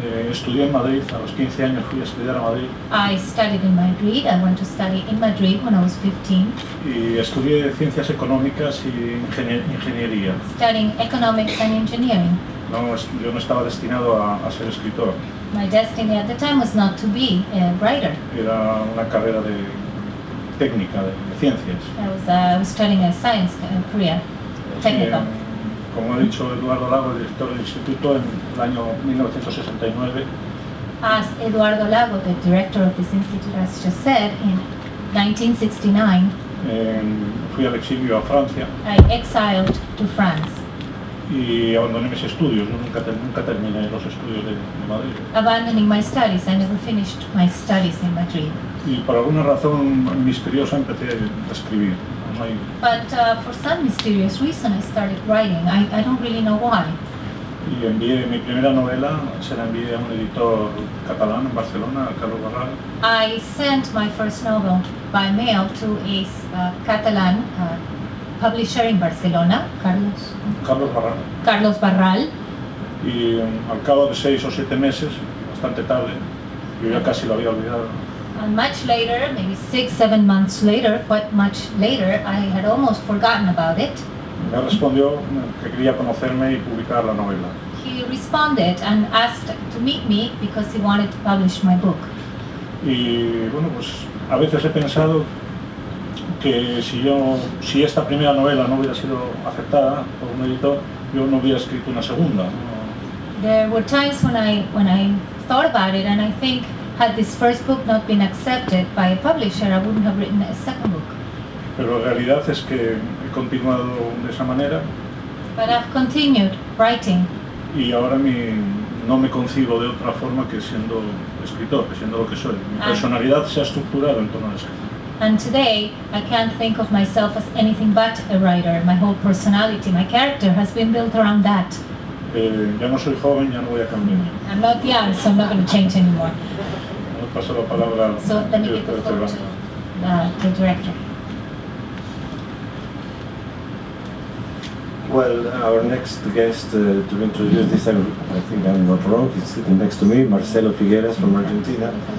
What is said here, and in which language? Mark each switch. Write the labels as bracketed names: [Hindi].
[Spanish] Estudié en Madrid, a los 15 años fui a estudiar a Madrid. [English] I studied in Madrid, I went to study in Madrid when I was 15. [Spanish] Y estudié ciencias económicas y ingeniería. [English] Studying economics and engineering. [Spanish] No, yo no estaba destinado a ser escritor. [English] My destiny at the time was not to be a writer. [Spanish] Era una carrera de técnica, de ciencias. [English] I was studying a science career, technical. [Spanish] Como ha dicho Eduardo Lago, el director del instituto, en el año 1969. [English] As Eduardo Lago, the director of this institute, has just said, in 1969. [Spanish] Fui al exilio a Francia. [English] I exiled to France. [Spanish] Y abandoné mis estudios. Nunca terminé los estudios de Madrid. [English] Abandoning my studies, I never finished my studies in Madrid. [Spanish] Y por alguna razón misteriosa empecé a escribir. [English] But for some mysterious reason I started writing. I don't really know why. [Spanish] Y envié mi primera novela, se la envié a un editor catalán en Barcelona, Carlos Barral. [English] I sent my first novel by mail to a Catalan publisher in Barcelona, Carlos Barral. Carlos Barral. [Spanish] Y al cabo de 6 o 7 meses, bastante tarde, yo ya casi lo había olvidado. [English] And much later, maybe 6-7 months later, quite much later, I had almost forgotten about it. [Spanish] Me respondió que quería conocerme y publicar la novela. [English] He responded and asked to meet me because he wanted to publish my book. [Spanish] Y bueno, pues a veces he pensado que si esta primera novela no hubiera sido aceptada por un editor, yo no hubiera escrito una segunda. [English] There were times when I thought about it, and I think had this first book not been accepted by a publisher, I wouldn't have written a second book. [Spanish] Pero la realidad es que he continuado de esa manera. [English] But I've continued writing. [Spanish] Y ahora no me concibo de otra forma que siendo escritor, que siendo lo que soy. Mi personalidad se ha estructurado en torno a la escritura. [English] And today I can't think of myself as anything but a writer. My whole personality, my character has been built around that. [Spanish] Ya no soy joven, ya no voy a cambiar. [English] I'm not young, so I'm not going to change anymore. [Spanish] Le paso la palabra al director de Cervantes. [English] The director. Well, our next guest to introduce this, I think I'm not wrong, he's sitting next to me, Marcelo Figueras from Argentina.